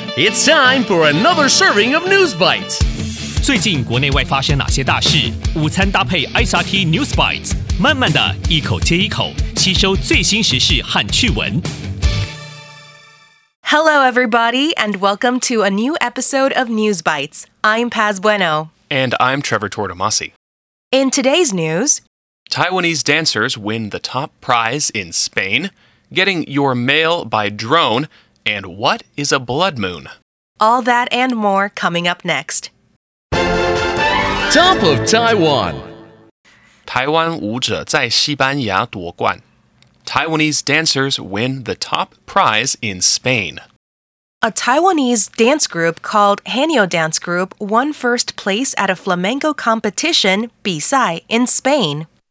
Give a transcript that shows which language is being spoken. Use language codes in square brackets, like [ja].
[en] It's time for another serving of News Bites. [zh] 最近国内外发生哪些大事？午餐搭配 SRT News Bites， 慢慢的一口接一口，吸收最新时事和趣闻。 [en] Hello, everybody, and welcome to a new episode of News Bites. I'm Paz Bueno. And I'm Trevor Tortomasi. In today's news, Taiwanese dancers win the top prize in Spain, getting your mail by drone, and what is a blood moon? All that and more coming up next. Top of Taiwan. [zh] 台湾舞者在西班牙夺冠。 [en] Taiwanese dancers win the top prize in Spain. A Taiwanese dance group called Genio Dance Group won first place at a flamenco competition, 比赛, in Spain.